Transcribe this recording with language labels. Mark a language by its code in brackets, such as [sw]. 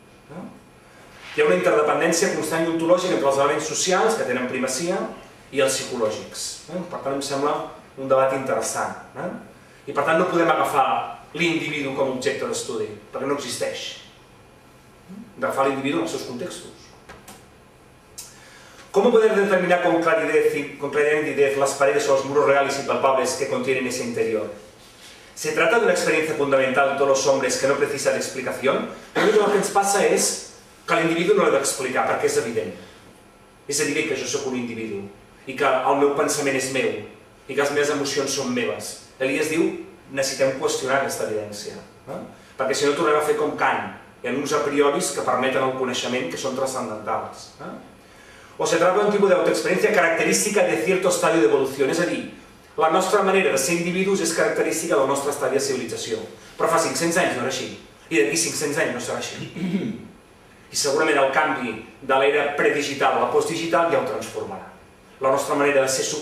[ca] Hi ha una interdependència constant i ontològica entre els elements socials, que tenen primacia, i els psicològics. Per tant, em sembla un debat interessant. I per tant, no podem agafar l'individu com a objecte d'estudi, perquè no existeix. Hem d'agafar l'individu en els seus contextos. [es] ¿Cómo poder determinar con claridad las paredes o los muros reales y palpables que contienen ese interior? ¿Se trata de una experiencia fundamental de todos los hombres que no precisa de explicación? Lo único que nos pasa es que al individuo no lo debe explicar, porque es evidente. Es evidente que yo soy un individuo, y que [ca] el meu [es] pensamiento es [ca] meu, [es] y que las mis emociones son [ca] meves. Elias diu, [es] necesitamos cuestionar esta evidencia, porque si no, [ca] tornem a [es] hacer con Kant, y en unos a priori que permiten el conocimiento que son trascendentales. [ca] O [es] se trata [ca] d'un tipus d'autoexperiència característica de cert estadi d'evolució. És a dir, la nostra manera de ser individus és característica del nostre estadi de civilització. Però fa 500 anys no era així. I d'aquí 500 anys no serà així. I segurament el canvi de l'era predigital a la postdigital ja ho transformarà. La nostra manera de ser...